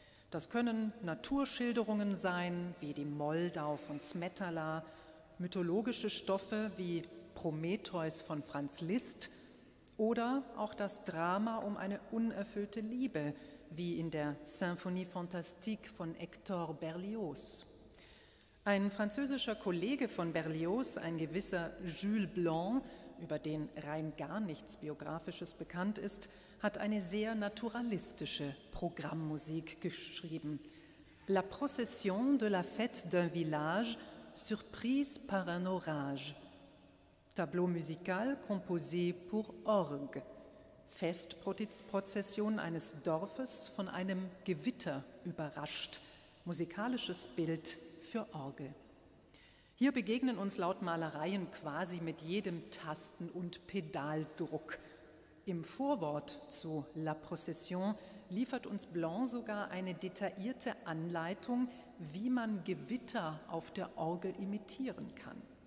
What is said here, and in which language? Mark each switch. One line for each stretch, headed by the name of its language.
German: Das können Naturschilderungen sein, wie die Moldau von Smetala, mythologische Stoffe wie Prometheus von Franz Liszt oder auch das Drama um eine unerfüllte Liebe, wie in der Symphonie Fantastique von Hector Berlioz. Ein französischer Kollege von Berlioz, ein gewisser Jules Blanc, über den rein gar nichts Biografisches bekannt ist, hat eine sehr naturalistische Programmmusik geschrieben.
French: La procession de la fête d'un village, surprise par un orage. Tableau musical composé pour orgue.
German: Festprozession eines Dorfes von einem Gewitter überrascht. Musikalisches Bild für Orgel. Hier begegnen uns laut Malereien quasi mit jedem Tasten- und Pedaldruck. Im Vorwort zu La Procession liefert uns Blanc sogar eine detaillierte Anleitung, wie man Gewitter auf der Orgel imitieren kann.